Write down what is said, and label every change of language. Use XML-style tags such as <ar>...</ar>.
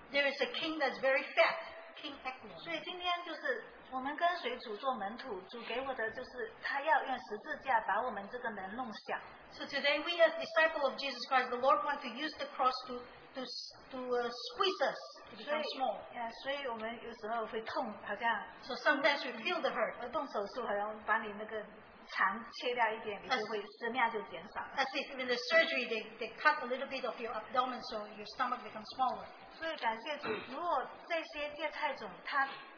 <en>There is a king that's very fat, King Eglon.</en> <zh>所以今天就是。我们跟随主做门徒，主给我的就是他要用十字架把我们这个人弄小。</zh> <en>So today we as disciples of Jesus Christ, the Lord wants to use the cross to squeeze us to become small.</en> <zh>所以我们有时候会痛，好像。</zh> <en>So sometimes we feel the hurt.</en> <zh>动手术好像把你那个肠切掉一点，你就会食量就减少。</zh> <en>As if in the surgery they cut a little bit of your abdomen, so your stomach becomes smaller.</en> <zh>所以感谢主，如果这些芥菜种它。</zh>